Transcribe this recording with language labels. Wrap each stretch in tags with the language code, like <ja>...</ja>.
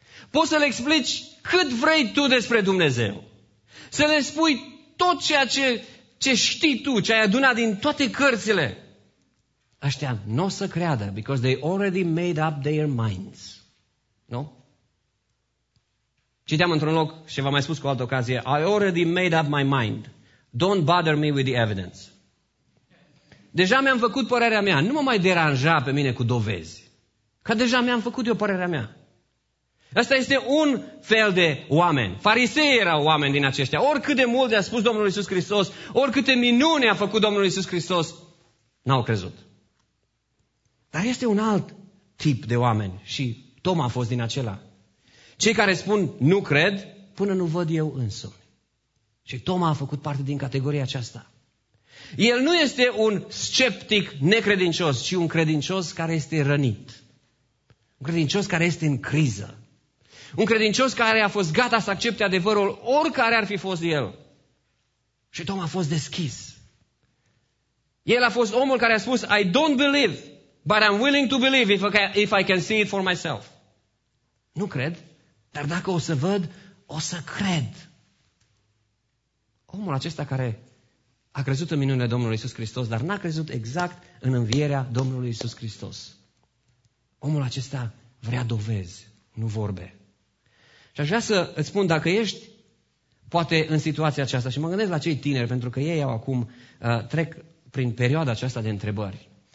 <ro>Poți să le explici cât vrei tu despre Dumnezeu. Să le spui tot ceea ce știi tu, ce ai adunat din toate cărțile. Ăștia nu o să creadă,</ro> <en>because they already made up their minds.</en> <ro>Nu? Citeam într-un loc și v-am mai spus cu o altă ocazie,</ro> <en>I already made up my mind. Don't bother me with the evidence.</en> <ro>Deja mi-am făcut părerea mea. Nu mă mai deranja pe mine cu dovezi. Că deja mi-am făcut eu părerea mea. Asta este un fel de oameni. Farisei erau oameni din aceștia. Oricât de mult i-a spus Domnul Iisus Hristos, oricâte minuni a făcut Domnul Iisus Hristos, n-au crezut. Dar este un alt tip de oameni și Toma a fost din acela. Cei care spun nu cred până nu văd eu însumi. Și Toma a făcut parte din categoria aceasta. El nu este un sceptic necredincios, ci un credincios care este rănit. Un credincios care este în criză. Un credincios care a fost gata să accepte adevărul oricare ar fi fost el. Și Toma a fost deschis. El a fost omul care a spus,</ro> <en>I don't believe, but I'm willing to believe if I can see it for myself.</en> <ro>Nu cred. Dar dacă o să văd, o să cred. Omul acesta care a crezut în minunile Domnului Iisus Hristos, dar n-a crezut exact în învierea Domnului Iisus Hristos. Omul acesta vrea dovezi, nu vorbe. Și aș vrea să îți spun, dacă ești poate în situația aceasta, și mă gândesc la cei tineri, pentru că ei au acum, trec prin perioada aceasta de întrebări.</ro>